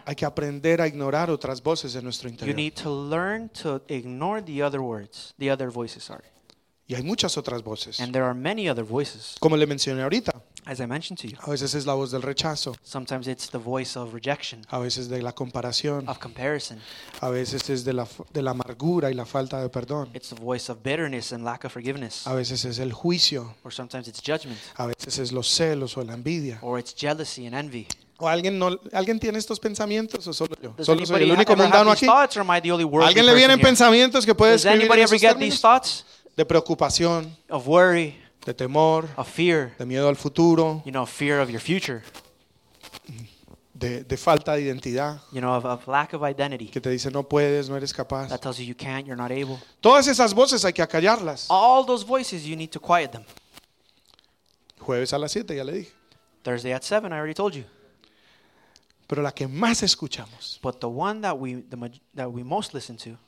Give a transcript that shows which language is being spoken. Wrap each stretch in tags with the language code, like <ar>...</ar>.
<es>Hay que aprender a ignorar otras voces en nuestro interior.</es> <en>You need to learn to ignore the other words, the other voices, sorry.</en> <es>Y hay muchas otras voces.</es> <en>And there are many other voices.</en> <es>Como le mencioné ahorita.</es> <en>As I mentioned to you.</en> <es>A veces es la voz del rechazo.</es> <en>Sometimes it's the voice of rejection.</en> <es>A veces de la comparación.</es> <en>Of comparison.</en> <es>A veces es de la amargura y la falta de perdón.</es> <en>It's the voice of bitterness and lack of forgiveness.</en> <es>A veces es el juicio.</es> <en>Or sometimes it's judgment.</en> <es>A veces es los celos o la envidia.</es> <en>Or it's jealousy and envy.</en> <es>¿O alguien tiene estos pensamientos o solo yo?</es> <en>Does</en> <es>solo soy el único mundano aquí.</es> <en>Thoughts, or am I the only worldly</en> <es>¿Alguien le vienen</es> <en>here?</en> <es>Pensamientos que puede escribir?</es> <en>Does anybody ever get these thoughts?</en> <es>De preocupación.</es> <en>Of worry.</en> <es>De temor,</es> <en>a fear,</en> <es>de miedo al futuro,</es> <en>you know, fear of your future,</en> <es>de falta de identidad,</es> <en>you know, of lack of identity,</en> <es>que te dice no puedes, no eres capaz,</es> <en>that tells you you can't, you're not able.</en> <es>Todas esas voces hay que acallarlas.</es> <en>All those voices, you need to quiet them.</en> <es>Jueves a las 7 ya le dije.</es> <en>Thursday at 7, I already told you.</en> <es>Pero la que más escuchamos,</es> <en>but the one that we most listen to,</en>